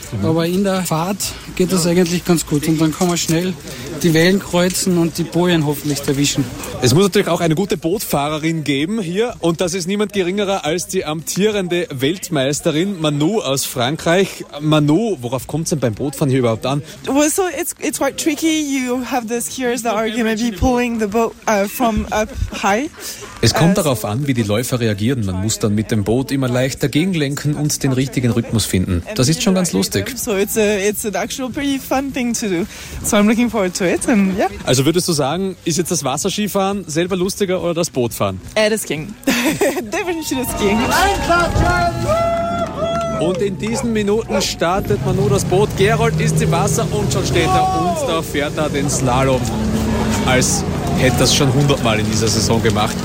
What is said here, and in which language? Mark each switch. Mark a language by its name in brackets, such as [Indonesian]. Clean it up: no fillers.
[German] Aber in der Fahrt geht das eigentlich ganz gut und dann kann man schnell die Wellen kreuzen und die Bojen hoffentlich erwischen. Es muss natürlich auch eine gute Bootfahrerin geben hier und das ist niemand geringerer als die amtierende Weltmeisterin Manu aus Frankreich. Manu, worauf kommt es denn beim Bootfahren hier überhaupt an? [English] Well, so it's quite tricky. You have the skiers that are going to be pulling the boat from up high. [German] Es kommt darauf an, wie die Läufer reagieren. Man muss dann mit dem Boot immer leicht dagegen lenken und den richtigen Rhythmus finden. Das ist schon ganz lustig. [English] So it's an actual pretty fun thing to do. So I'm looking forward to it. And yeah. [German] Also würdest du sagen, ist jetzt das Wasserskifahren selber lustiger oder das Bootfahren? Das ging. Definitiv das ging. Und in diesen Minuten startet man nur das Boot. Gerold ist im Wasser und schon steht er. Und da fährt er den Slalom. Als hätte er es schon 100 Mal in dieser Saison gemacht.